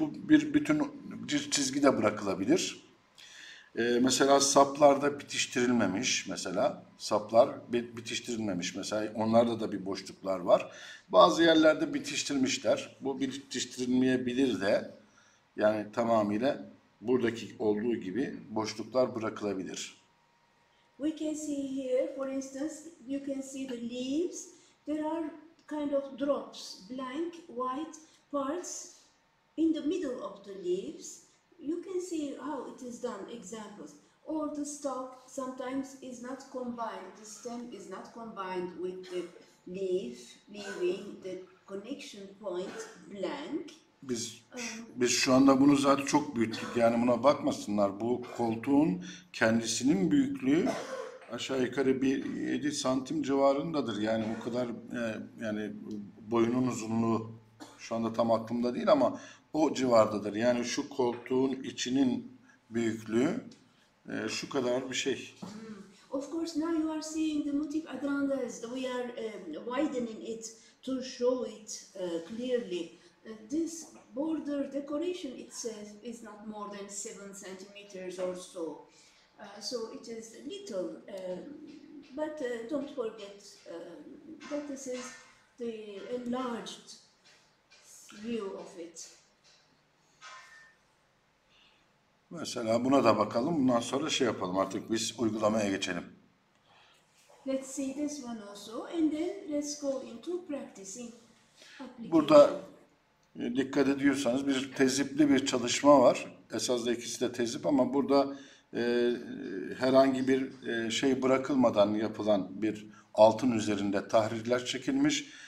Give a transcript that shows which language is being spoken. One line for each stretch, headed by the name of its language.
Turkish: Bu bir bütün bir çizgi de bırakılabilir. Mesela saplarda bitiştirilmemiş. Mesela saplar bitiştirilmemiş. Mesela onlarda da bir boşluklar var. Bazı yerlerde bitiştirmişler. Bu bitiştirilmeyebilir de yani tamamıyla buradaki olduğu gibi boşluklar bırakılabilir.
English: We can see here, for instance, you can see the leaves. There are kind of drops, blank white parts in the middle of the leaves. You can see how it is done, examples. Or the stalk sometimes is not combined, the stem is not combined with the leaf, leaving the connection point blank.
Turkish: Biz şu anda bunu zaten çok büyüttük. Yani buna bakmasınlar. Bu koltuğun kendisinin büyüklüğü aşağı yukarı bir 7 santim civarındadır. Yani o kadar yani boyunun uzunluğu şu anda tam aklımda değil ama o civardadır. Yani şu koltuğun içinin büyüklüğü şu kadar bir şey.
English: Of course now you are seeing the motif adrandas. We are widening it to show it clearly. This border decoration itself is not more than 7 centimeters or so. So it is little, but don't forget that this is the enlarged view of it.
Turkish: Mesela buna da bakalım. Bundan sonra şey yapalım artık biz uygulamaya geçelim.
English: Let's see this one also and then let's go into practicing application.
Turkish: Burada dikkat ediyorsanız bir tezipli bir çalışma var. Esasında ikisi de tezip ama burada herhangi bir şey bırakılmadan yapılan bir altın üzerinde tahrirler çekilmiş.